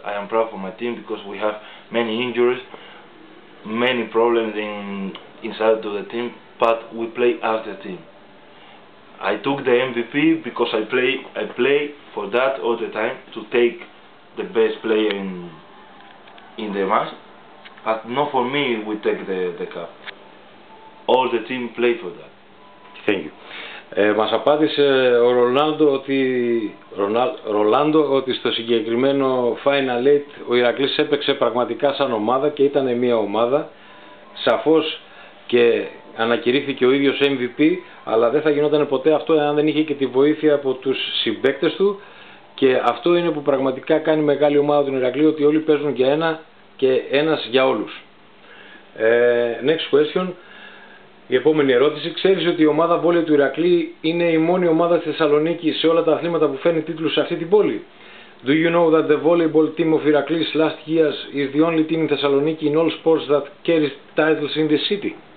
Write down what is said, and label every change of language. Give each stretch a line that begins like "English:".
English: I am proud for my team because we have many injuries, many problems inside of the team, but we play as a team. I took the MVP because I play for that all the time, to take the best player in the match, but not for me we take the cup. All the team play for that. Thank you.
Greek: Μας απάντησε ο Ρονάλντο ότι, ότι στο συγκεκριμένο Final 8 ο Ηρακλής έπαιξε πραγματικά σαν ομάδα και ήταν μια ομάδα. Σαφώς και ανακηρύχθηκε ο ίδιος MVP, αλλά δεν θα γινόταν ποτέ αυτό εάν δεν είχε και τη βοήθεια από τους συμπαίκτες του. Και αυτό είναι που πραγματικά κάνει μεγάλη ομάδα του Ηρακλή, ότι όλοι παίζουν για ένα και ένας για όλους.
English: Next question.
Greek: Η επόμενη ερώτηση. Ξέρεις ότι η ομάδα βόλεϊ του Ηρακλή είναι η μόνη ομάδα στη Θεσσαλονίκη σε όλα τα αθλήματα που φέρνει τίτλους σε αυτή την πόλη?
English: Do you know that the volleyball team of Ηρακλής last year is the only team in Thessaloniki in all sports that carries titles in the city?